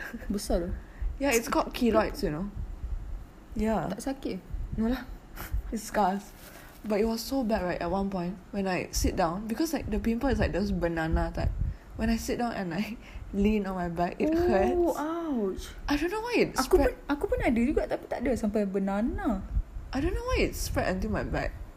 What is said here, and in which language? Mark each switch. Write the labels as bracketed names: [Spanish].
[Malay] Besar tu. [English] Yeah, it's called keloids, you know. Yeah. [Malay] Tak sakit. [English] No lah. It's scars, but it was so bad right at one point when I sit down because like the pimple is like those banana type. When I sit down and I lean on my back, it hurts. Oh, ouch. I don't know why it [Malay] aku [English] spread. [Malay] Aku pun ada juga tapi tak ada sampai banana. [English] I don't know why it spread until my back.